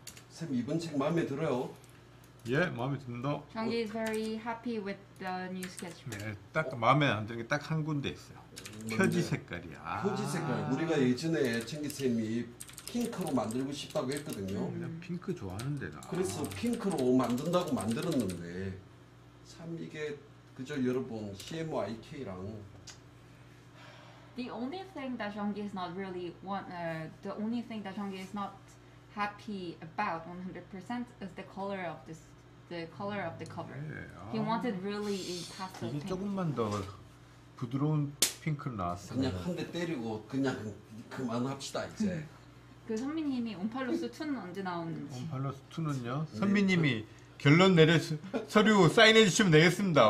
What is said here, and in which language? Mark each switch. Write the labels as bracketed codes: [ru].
[ko] 쌤 이번 책 마음에 들어요? 예, 마음에 든다. [en] Changi is very happy with the new sketchbook. [ko] 네, 딱 마음에 안 드는 게 딱 한 군데 있어요. 표지 색깔이야. 표지 색깔. 아. 우리가 예전에 Changi 쌤이 핑크로 만들고 싶다고 했거든요. 그냥 핑크 좋아하는데 나. 그래서 핑크로 만든다고 만들었는데 참 이게 그저 여러분 CMYK랑 [en] The only thing that Changi is not really want the only thing that Changi is not happy about 100% is the color of this the color of the cover. 네. He wanted really a pastel pink. [ko] 이게 조금만 더 부드러운 핑크로 나왔어요. 그냥 한 대 때리고 그냥 그만합시다 이제. 그 선미님이 온팔로스 2는 언제 나오는지. 온팔로스 2는요? 선미님이 결론 내려 서류 사인해 주시면 되겠습니다.